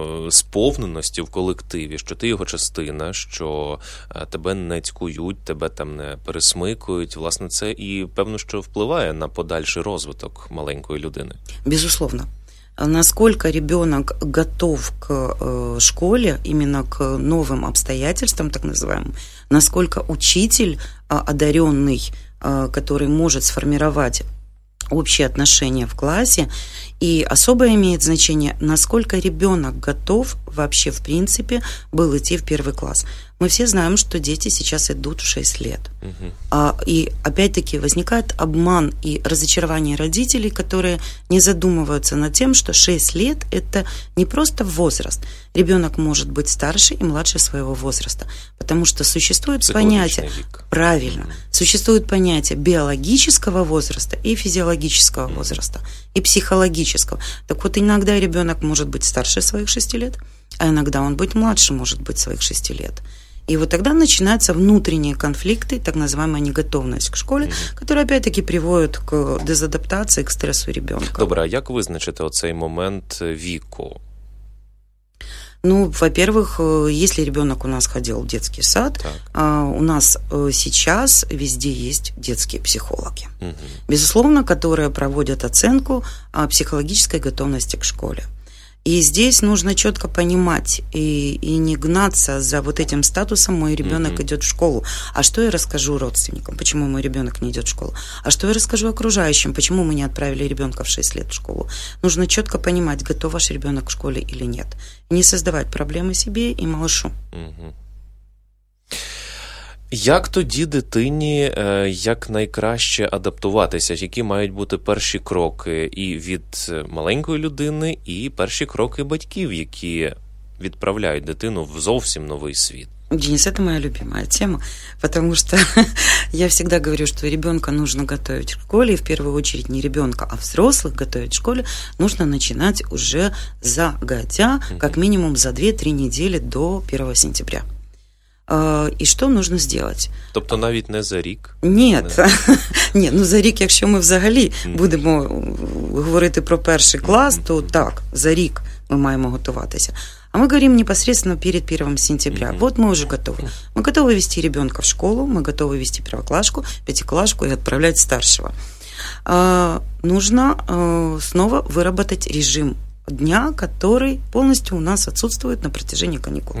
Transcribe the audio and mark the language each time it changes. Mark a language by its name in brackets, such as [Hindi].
[Ukrainian] сповненості в колективі, що ти його частина, що тебе не цькують, тебе там не пересмикують. Власне, це і певно, що впливає на подальший розвиток маленької людини. [Russian] Безусловно. [Ukrainian] Наскільки [Russian] ребенок готов к школі, именно к новым обстоятельствам, так называемым, [Ukrainian] наскільки [Russian] учитель одаренный, который может сформировать общее отношение в классе, и особое имеет значение, насколько ребенок готов вообще, в принципе, был идти в первый класс. Мы все знаем, что дети сейчас идут в 6 лет. И опять-таки возникает обман и разочарование родителей, которые не задумываются над тем, что 6 лет – это не просто возраст. Ребенок может быть старше и младше своего возраста, потому что существует понятие… Правильно. Существует понятие биологического возраста и физиологического возраста, и психологического. Так вот, иногда ребенок может быть старше своих 6 лет, а иногда он быть младше может быть своих 6 лет. И вот тогда начинаются внутренние конфликты, так называемая неготовность к школе, которая опять-таки приводит к дезадаптации, к стрессу ребенка. Добре, а як визначити оцей момент віку? Ну, во-первых, если ребенок у нас ходил в детский сад, так. У нас сейчас везде есть детские психологи, безусловно, которые проводят оценку психологической готовности к школе. И здесь нужно четко понимать и не гнаться за вот этим статусом «мой ребенок идет в школу». А что я расскажу родственникам, почему мой ребенок не идет в школу? А что я расскажу окружающим, почему мы не отправили ребенка в 6 лет в школу? Нужно четко понимать, готов ваш ребенок к школе или нет. Не создавать проблемы себе и малышу. [Ukrainian] Як тоді дитині як найкраще адаптуватися? Які мають бути перші кроки і від маленької людини, і перші кроки батьків, які відправляють дитину в зовсім новий світ? [Russian] Денис, это моя любимая тема, потому что я всегда говорю, что ребенка нужно готовить к школе, и в первую очередь не ребенка, а взрослых готовить к школе нужно начинать уже загодя, как минимум за 2-3 недели до 1 сентября. И что нужно сделать? [Ukrainian] Тобто навіть не за рік? [Russian] Нет. [Ukrainian] Не, ну за рік, якщо ми взагалі будемо говорити про перший клас, то так, за рік ми маємо готуватися. [Russian] А мы говорим непосредственно перед 1 сентября. Вот мы уже готовы. Мы готовы вести ребенка в школу, мы готовы вести первоклашку, пятиклашку и отправлять старшего. Нужно снова выработать режим дня, который полностью у нас отсутствует на протяжении каникул.